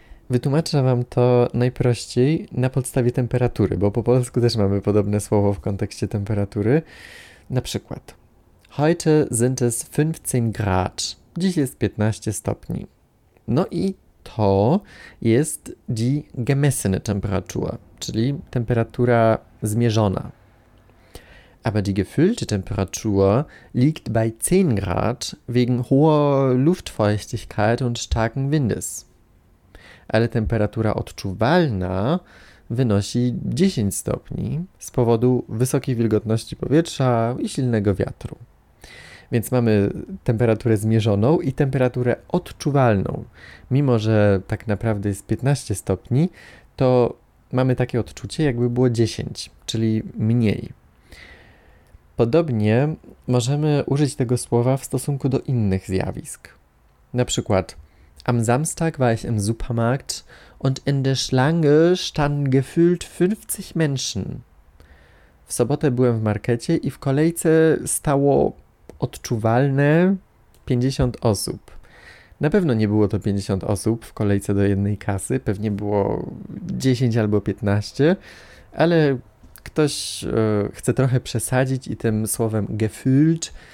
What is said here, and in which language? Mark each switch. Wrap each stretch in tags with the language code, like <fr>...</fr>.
<pl>Wytłumaczę Wam to najprościej na podstawie temperatury, bo po polsku też mamy podobne słowo w kontekście temperatury. Na przykład.</pl> <de>Heute sind es 15 Grad.</de> <pl>Dziś jest 15 stopni. No i to jest</pl> <de>die gemessene Temperatur,</de> <pl>czyli temperatura zmierzona.</pl> <de>Aber die gefühlte Temperatur liegt bei 10 Grad wegen hoher Luftfeuchtigkeit und starken Windes.</de> <pl>Ale temperatura odczuwalna wynosi 10 stopni z powodu wysokiej wilgotności powietrza i silnego wiatru. Więc mamy temperaturę zmierzoną i temperaturę odczuwalną. Mimo że tak naprawdę jest 15 stopni, to mamy takie odczucie, jakby było 10, czyli mniej. Podobnie możemy użyć tego słowa w stosunku do innych zjawisk. Na przykład,</pl> <de>am Samstag war ich im Supermarkt und in der Schlange standen gefühlt 50 Menschen.</de> <pl>W sobotę byłem w markecie i w kolejce stało odczuwalne 50 osób. Na pewno nie było to 50 osób w kolejce do jednej kasy, pewnie było 10 albo 15, ale ktoś chce trochę przesadzić i tym słowem gefühlt</pl>